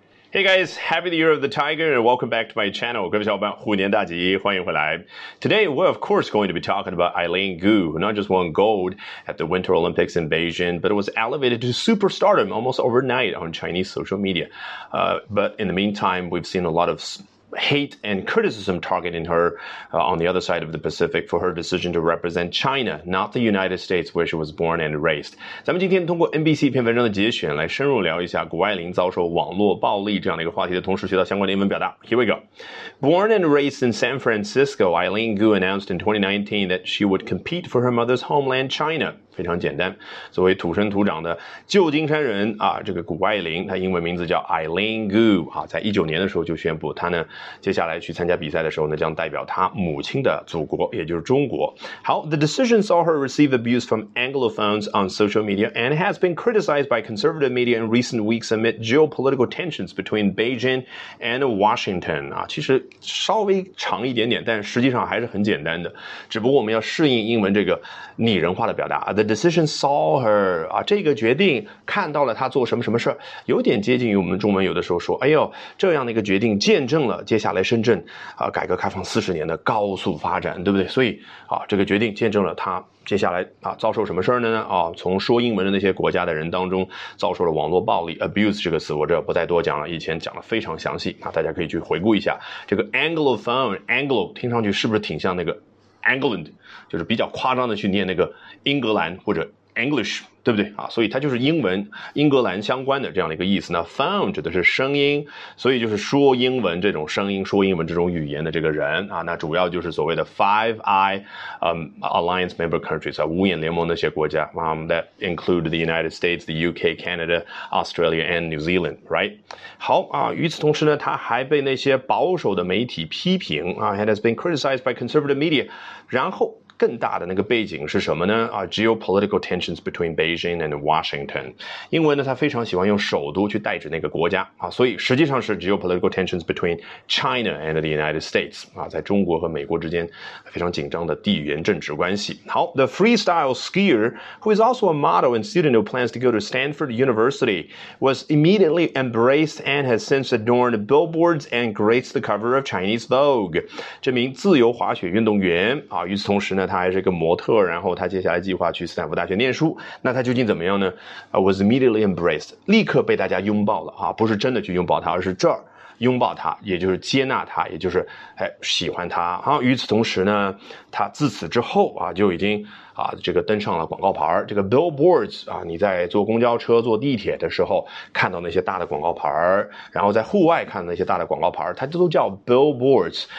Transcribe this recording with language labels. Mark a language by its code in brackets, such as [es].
[en] Hey guys, happy the year of the tiger and welcome back to my channel. [zh] 各位小伙伴虎年大吉，欢迎回来。 [en] Today, we're of course going to be talking about Eileen Gu, who not just won gold at the Winter Olympics in Beijing, but was elevated to superstardom almost overnight on Chinese social media. But in the meantime, we've seen a lot of hate and criticism targeting her, on the other side of the Pacific for her decision to represent China, not the United States where she was born and raised. [zh] 咱们今天通过 NBC 一篇文章的节选来深入聊一下谷爱凌遭受网络暴力这样的一个话题的同时学到相关的英文表达。 [en] Here we go. Born and raised in San Francisco, Eileen Gu announced in 2019 that she would compete for her mother's homeland, China. [zh] 非常简单，作为土生土长的旧金山人啊，这个谷爱凌，她英文名字叫 Eileen Gu 啊，在19年的时候就宣布，她呢接下来去参加比赛的时候呢，将代表她母亲的祖国，也就是中国。 [en] 好 ，The decision saw her receive abuse from Anglophones on social media and has been criticized by conservative media in recent weeks amid geopolitical tensions between Beijing and Washington [zh] 啊，其实稍微长一点点，但实际上还是很简单的，只不过我们要适应英文这个拟人化的表达。 [en] The decision saw her, [zh] 啊，这个决定看到了她做什么什么事，有点接近于我们中文有的时候说，哎呦，这样的一个决定见证了接下来深圳，啊，改革开放40年的高速发展，对不对？所以，啊，这个决定见证了她接下来啊遭受什么事儿呢？啊，从说英文的那些国家的人当中遭受了网络暴力 abuse 这个词，我这不再多讲了，以前讲了非常详细，啊，大家可以去回顾一下。这个 Anglophone,Anglo, 听上去是不是挺像那个England 就是比较夸张的去念那个英格兰或者 English 对不对啊？所以它就是英文英格兰相关的这样的一个意思。那 phone 指的是声音，所以就是说英文这种声音，说英文这种语言的这个人啊。那主要就是所谓的 Five Eye Alliance Member Countries 啊，五眼联盟那些国家 that include the United States, the UK, Canada, Australia and New Zealand, right? 好啊，与此同时呢，他还被那些保守的媒体批评啊， [en] and has been criticized by conservative media. [zh] 然后更大的那个背景是什么呢？啊 ， [en] geopolitical tensions between Beijing and Washington。 [zh] 英文呢，他非常喜欢用首都去代指那个国家啊，所以实际上是 [en] geopolitical tensions between China and the United States。 [zh] 啊，在中国和美国之间非常紧张的地缘政治关系。 [en] 好 ，the freestyle skier who is also a model and student who plans to go to Stanford University was immediately embraced and has since adorned billboards and graced the cover of Chinese Vogue。 [zh] 这名自由滑雪运动员啊，与此同时呢。他还是个模特，然后他接下来计划去斯坦福大学念书，那他究竟怎么样呢？ [en] Was immediately embraced, [zh] 立刻被大家拥抱了，啊，不是真的去拥抱他，而是这儿拥抱他，也就是接纳他，也就是，哎，喜欢他，啊，与此同时呢，他自此之后，啊，就已经啊，这个登上了广告牌，这个 billboards 啊，你在坐公交车、坐地铁的时候看到那些大的广告牌，然后在户外看到那些大的广告牌，它都叫 billboards。